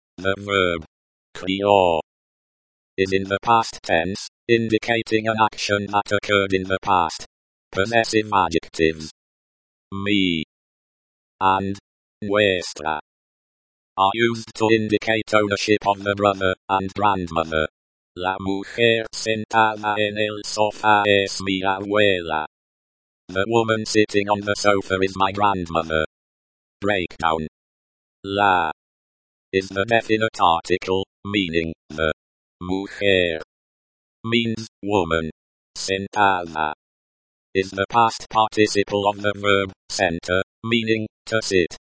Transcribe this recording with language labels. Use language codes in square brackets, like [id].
[en] The verb, crió. Is in the past tense, indicating an action that occurred in the past. Possessive adjectives. Me. And nuestra. Are used to indicate ownership of the brother and grandmother. [es] La mujer sentada en el sofá es mi abuela. [en] The woman sitting on the sofa is my grandmother. Breakdown. La is the definite article, meaning the. Mujer means woman. Sentada is the past participle of the verb sentar, meaning to sit.